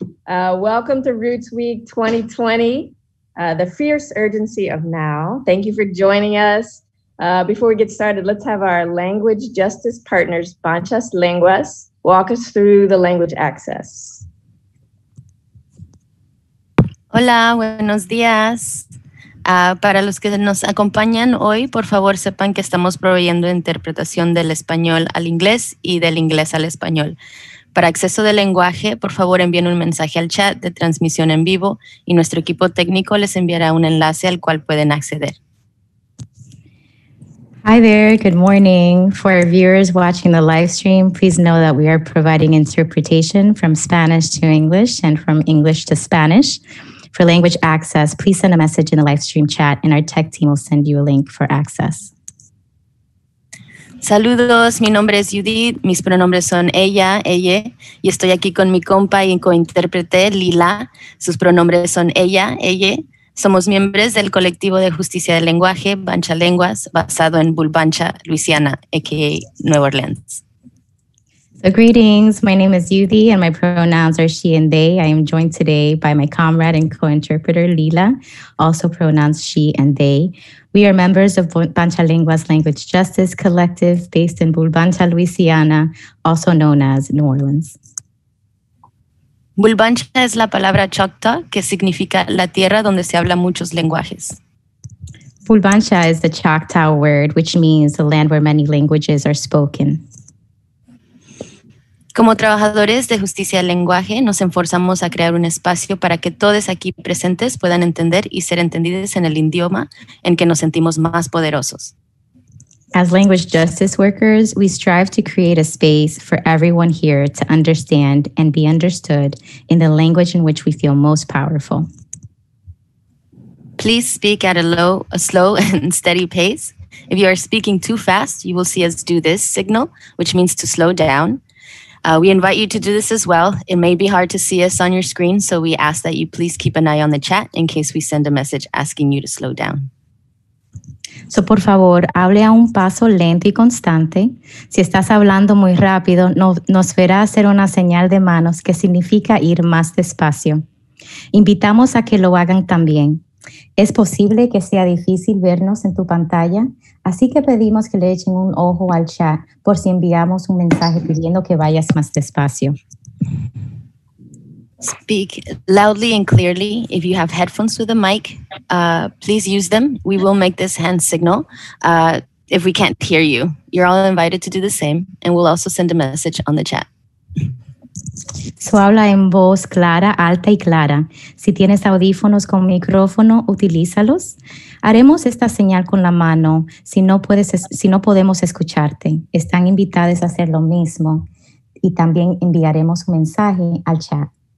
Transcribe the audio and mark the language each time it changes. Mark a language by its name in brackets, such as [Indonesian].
[English] Welcome to Roots Week 2020, the fierce urgency of now. Thank you for joining us. Before we get started, let's have our language justice partners, Banchas Lenguas, walk us through the language access. [Spanish] Hola, buenos días. Para los que nos acompañan hoy, por favor, sepan que estamos proveyendo interpretación del español al inglés y del inglés al español. Para acceso de lenguaje, por favor, envíen un mensaje al chat de transmisión en vivo y nuestro equipo técnico les enviará un enlace al cual pueden acceder. [English] Hi there, good morning. For our viewers watching the live stream, please know that we are providing interpretation from Spanish to English and from English to Spanish. For language access, please send a message in the live stream chat and our tech team will send you a link for access. [Spanish] Saludos, mi nombre es Judith, mis pronombres son ella, y estoy aquí con mi compa y cointérprete Lila, sus pronombres son ella. Somos miembros del colectivo de justicia del lenguaje, Bancha Lenguas, basado en Bulbancha, Louisiana, aka New Orleans. [English] So greetings, my name is Yudi and my pronouns are she and they. I am joined today by my comrade and co-interpreter Lila, also pronouns she and they. We are members of Bancha Lenguas Language Justice Collective based in Bulbancha, Louisiana, also known as New Orleans. [Spanish] Bulbancha es la palabra Choctaw que significa la tierra donde se habla muchos lenguajes. [English] Bulbancha is the Choctaw word, which means the land where many languages are spoken. [Spanish] Como trabajadores de justicia del lenguaje, nos esforzamos a crear un espacio para que todos aquí presentes puedan entender y ser entendidos en el idioma en que nos sentimos más poderosos. [English] As language justice workers, we strive to create a space for everyone here to understand and be understood in the language in which we feel most powerful. Please speak at a slow and steady pace. If you are speaking too fast, you will see us do this signal, which means to slow down. We invite you to do this as well. It may be hard to see us on your screen, so we ask that you please keep an eye on the chat in case we send a message asking you to slow down. [Spanish] So, por favor, hable a un paso lento y constante. Si estás hablando muy rápido, nos verá hacer una señal de manos que significa ir más despacio. Invitamos a que lo hagan también. Es posible que sea difícil vernos en tu pantalla, así que pedimos que le echen un ojo al chat por si enviamos un mensaje pidiendo que vayas más despacio. [English] Speak loudly and clearly. If you have headphones with a mic, please use them. We will make this hand signal if we can't hear you. You're all invited to do the same, and we'll also send a message on the chat. [Spanish] So habla en voz clara, alta y clara. Si tienes audífonos con micrófono, utilízalos. Haremos esta señal con la mano si no podemos escucharte. Están invitadas a hacer lo mismo y también enviaremos un mensaje al chat.